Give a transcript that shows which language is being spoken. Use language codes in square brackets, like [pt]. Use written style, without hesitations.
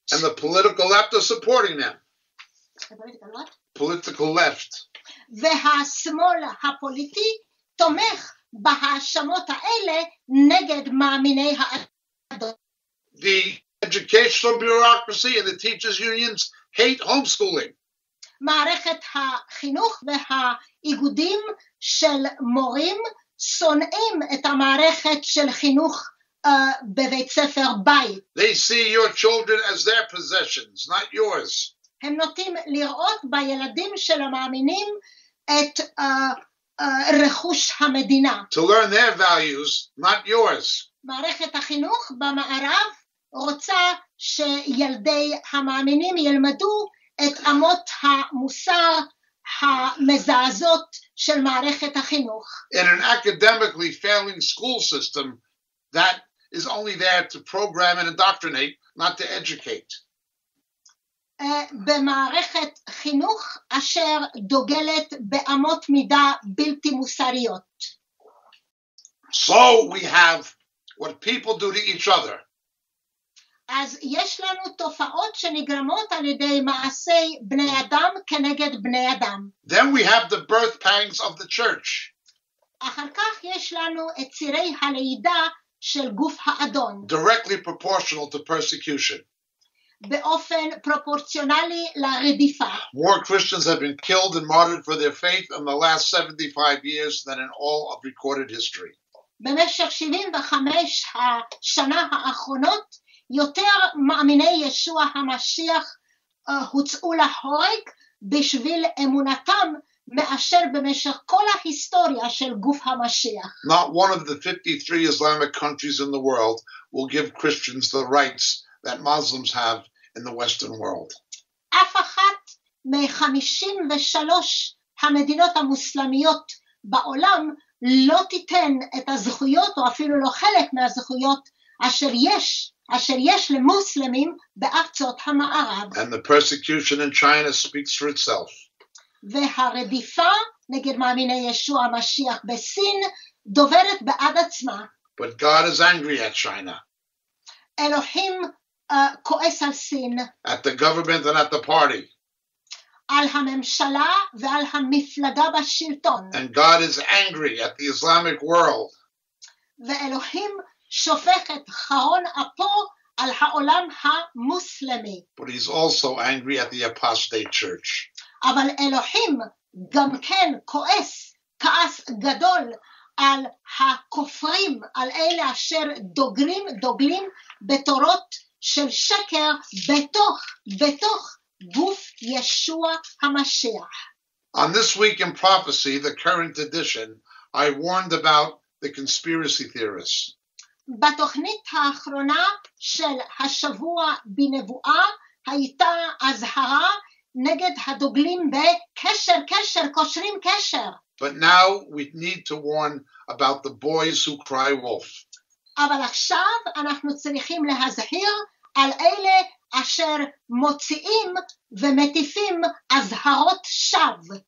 [en] And the political left are supporting them. Political left. [he] והשמאל הפוליטי תומך בהאשמות האלה נגד מאמיני האדם. [en] The educational bureaucracy and the teachers unions hate homeschooling. [he] מערכת החינוך והאיגודים של מורים שונאים את המערכת של חינוך בבית ספר בית. [en] They see your children as their possessions, not yours. [he] הם נוטים לראות בילדים של המאמינים את רכוש המדינה. [en] To learn their values, not yours. [he] מערכת החינוך במערב רוצה שילדי המאמינים ילמדו את אמות המוסר המזעזות של מערכת החינוך. [en] In an academically failing school system that is only there to program and indoctrinate, not to educate. [he] במערכת חינוך אשר דוגלת באמות מידה בלתי מוסריות. [en] So we have what people do to each other. [he] אז יש לנו תופעות שנגרמות על ידי מעשי בני אדם כנגד בני אדם. [en] Then we have the birth pangs of the church. [he] אחר כך יש לנו את צירי הלידה של גוף האדון. [en] Directly proportional to persecution. [he] באופן פרופורציונלי לרדיפה. [en] More Christians have been killed and martyred for their faith in the last 75 years than in all of recorded history. [he] במשך 75 השנה האחרונות יותר מאמיני ישוע המשיח הוצאו להורג בשביל אמונתם מאשר במשך כל ההיסטוריה של גוף המשיח. [en] Not one of the 53 Islamic countries in the world will give Christians the rights that Muslims have in the Western world. [he] אף אחת מ-53 המדינות המוסלמיות בעולם לא תיתן את הזכויות או אפילו לא חלק מהזכויות אשר יש. אשר יש למוסלמים בארצות המערב. [en] And the persecution in China speaks for itself. [he] והרדיפה נגד מאמיני ישוע המשיח בסין דוברת בעד עצמה. [en] But God is angry at China. [he] אלוהים כועס על סין. [en] At the government and at the party. [he] על הממשלה ועל המפלגה בשלטון. [en] And God is angry at the Islamic world. [he] ואלוהים שופכת חרון אפו על העולם המוסלמי. [en] But he's also angry at the apostate church. [he] אבל אלוהים גם כן כועס כעס גדול על הכופרים, על אלה אשר דוגלים בתורות של שקר בתוך גוף ישוע המשיח. [en] On this week in prophecy, the current edition, I warned about the conspiracy theorists. [he] בתוכנית האחרונה של השבוע בנבואה הייתה אזהרה נגד הדוגלים בקשר, קשר, קושרים קשר. [en] But now we need to warn about the boys who cry wolf. [he] אבל עכשיו אנחנו צריכים להזהיר על אלה אשר מוציאים ומטיפים אזהרות שווא.